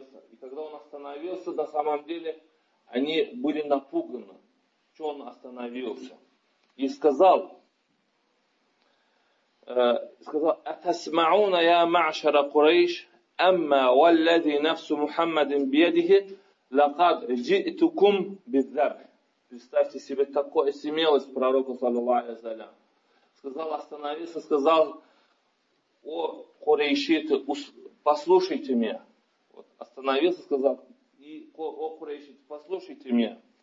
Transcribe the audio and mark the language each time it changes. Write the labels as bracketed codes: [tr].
[ru] И когда он остановился, на самом деле они были напуганы, что он остановился. И сказал: [ar] «Атасмауна я маашара Курайш». أما والذي نفس محمد بيده لقد جئتكم بالذبح [ru] Представьте себе, такое смелость пророка, саллаллаху алейхи ва саллям. Сказал, остановился, сказал, о, курейшиты, послушайте меня. Вот, остановился, сказал, и, о, курейшиты, послушайте меня.